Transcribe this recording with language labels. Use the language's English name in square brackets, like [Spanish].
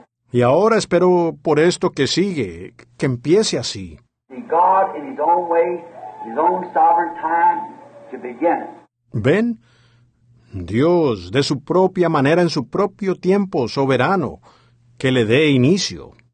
[Spanish] Y ahora espero por esto que sigue, que empiece así. [English] God in his own way, his own sovereign time. [Spanish] ¿Ven? Dios, de su propia manera, en su propio tiempo soberano, que le dé inicio.